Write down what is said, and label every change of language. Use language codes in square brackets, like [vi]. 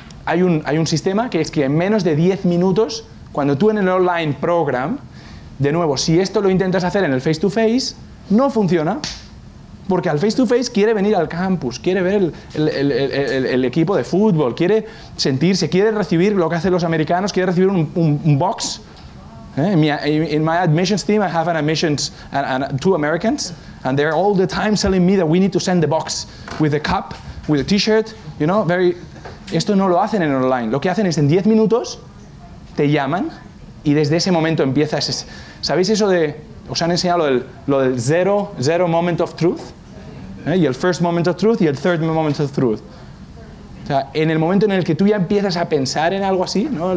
[es] Hay un sistema que es que en menos de 10 minutos, cuando tú en el online program, de nuevo, si esto lo intentas hacer en el face-to-face, no funciona, porque al face-to-face quiere venir al campus, quiere ver el equipo de fútbol, quiere sentirse, quiere recibir lo que hacen los americanos, quiere recibir un box. [en] In my admissions team, I have an admissions and two Americans, and they're all the time telling me that we need to send the box with a cup, with a t-shirt, you know, very... [es] Esto no lo hacen en online. Lo que hacen es en 10 minutos te llaman y desde ese momento empiezas. ¿Sabéis eso de? Os han enseñado lo del [en] zero moment of truth, [es] y el [en] first moment of truth [es] y el [en] third moment of truth. [es] O sea, en el momento en el que tú ya empiezas a pensar en algo así, ¿no?